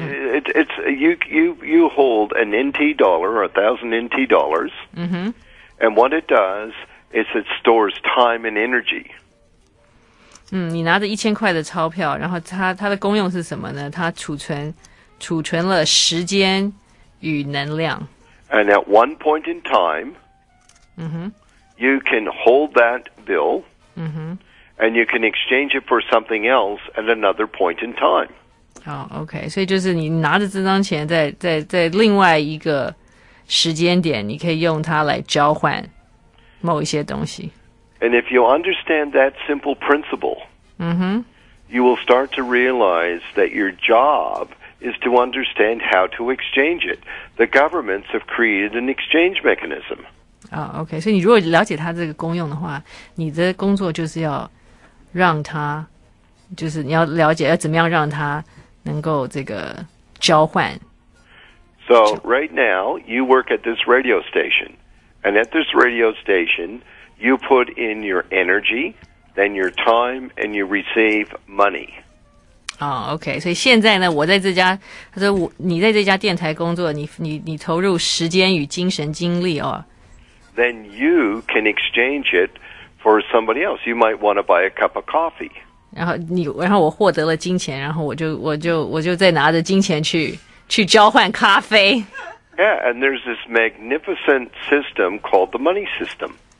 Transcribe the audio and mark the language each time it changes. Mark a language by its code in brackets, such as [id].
[en] It's you hold an NT dollar or a thousand NT dollars. Mm-hmm. And what it does is it stores time and energy. [zh] 你拿着一千块的钞票，然后它的功用是什么呢？它储存了时间与能量。 [en] And at one point in time. Mm-hmm. You can hold that bill,、 mm-hmm. and you can exchange it for something else at another point in time. Oh, okay. [zh] So, 就是你拿着这张钱在另外一个时间点，你可以用它来交换某一些东西。 [en] And if you understand that simple principle,、 mm-hmm. you will start to realize that your job is to understand how to exchange it. The governments have created an exchange mechanism. [zh] Okay, 所以你如果了解它这个功用的话，你的工作就是要让它，就是你要了解要怎么样让它能够这个交换。 [en] So right now you work at this radio station, and at this radio station you put in your energy, then your time, and you receive money. [zh] Okay, 所以现在呢，我在这家，他说你在这家电台工作，你投入时间与精神精力哦。 [en] Then you can exchange it for somebody else. You might want to buy a cup of coffee. [zh] 然后我获得了金钱，然后我就再拿着金钱去交换咖啡。 [en] Yeah, and there's this magnificent system called the money system.